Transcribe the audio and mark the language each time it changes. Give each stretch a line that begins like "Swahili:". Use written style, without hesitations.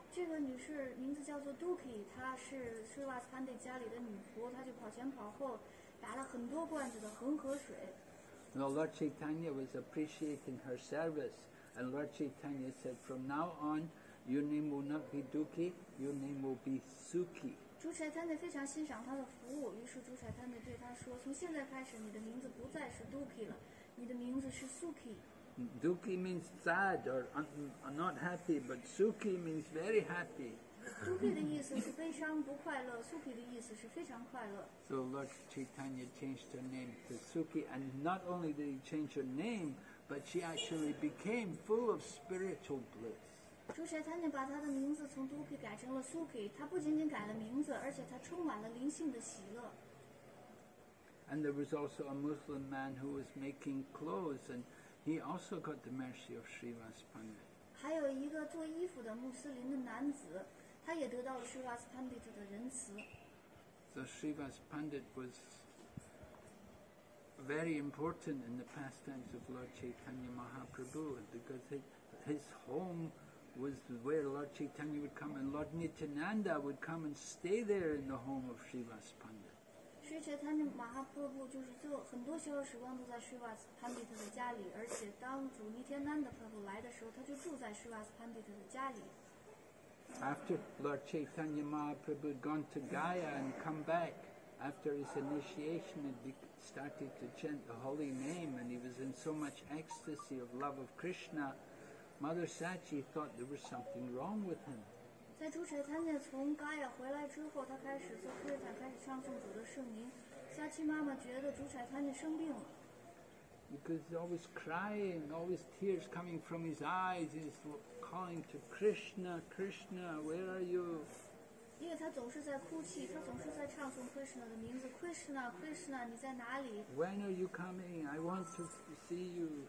Chinese: 这个女士名字叫做 Duki， 她是 Srivas Pandit 家里的女仆，她就跑前跑后，打了很多罐子的恒河水。
English: And Lord Chaitanya was appreciating her service, and Lord Chaitanya said, "From now on, your name will not be Duki. Your name will be Suki."
Chinese: 朱柴他呢非常欣赏他的服务，于是朱柴他呢对他说：“从现在开始，你的名字不再是 Duki 了，你的名字是 Suki。”
English: Duki means sad or not happy, but Suki means very happy.
Chinese: Duki 的意思是悲伤不快乐 ，Suki 的意思是非常快乐。
English: So Lord Chaitanya changed her name to Suki, and not only did he change her name, but she actually became full of spiritual bliss.
Chinese: 朱柴他呢把他的名字从 Duki 改成了 Suki， 他不仅仅改了名字，而且他充满了灵性的喜乐。
English: And there was also a Muslim man who was making clothes, and he also got the mercy of Srivas Pandit.
Chinese: 还有一个做衣服的穆斯林的男子，他也得到了 Srivas Pandit 的仁慈。
English: So Srivas Pandit was very important in the pastimes of Lord Chaitanya Mahaprabhu, because his home was where Lord Chaitanya would come, and Lord Nityananda would come and stay there in the home of Srivas Pandit.
Chinese: Sri Chaitanya Mahaprabhu 就是做很多休息时光都在 Srivas Pandit 的家里，而且当主 Nityananda Prabhu 来的时候，他就住在 Srivas Pandit 的家里。
English: After Lord Chaitanya Mahaprabhu had gone to Gaya and come back after his initiation and started to chant the holy name, and he was in so much ecstasy of love of Krishna, Mother Sachi thought there was something wrong with him.
Chinese: 在朱柴他呢从嘎雅回来之后，他开始做科坦，开始唱诵主的圣名。夏奇妈妈觉得朱柴他呢生病了。
English: Because he's always crying, always tears coming from his eyes. He's calling to Krishna, Krishna, where are you?
Chinese: 因为他总是在哭泣，他总是在唱诵 Krishna 的名字 ，
English: Krishna, Krishna,
Chinese: 你在哪里
English: ？When are you coming? I want to see you.